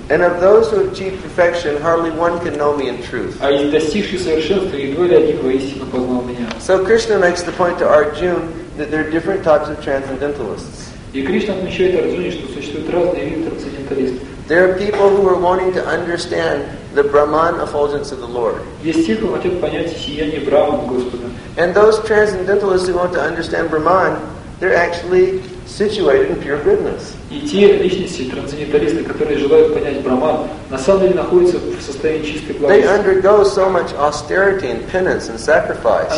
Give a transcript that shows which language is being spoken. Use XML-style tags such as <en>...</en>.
<en>And of those who achieve perfection, hardly one can know me in truth.</en> <ru>А из достигших совершенства едва ли один воистину познал меня.</ru> <en>So Krishna makes the point to Arjuna that there are different types of transcendentalists.</en> <ru>И Кришна отмечает Арджуне, что существуют разные виды трансценденталистов.</ru> <en>There are people who are wanting to understand the Brahman effulgence of the Lord.</en> <ru>Есть те, кто хотят понять сияние Брахмана Господа.</ru> <en>And those transcendentalists who want to understand Brahman, they're actually situated in pure goodness.</en> <ru>И те личности трансценденталисты, которые желают понять Брахман, на самом деле находятся в состоянии чистой благости.</ru> <en>They undergo so much austerity and penance and sacrifice.</en>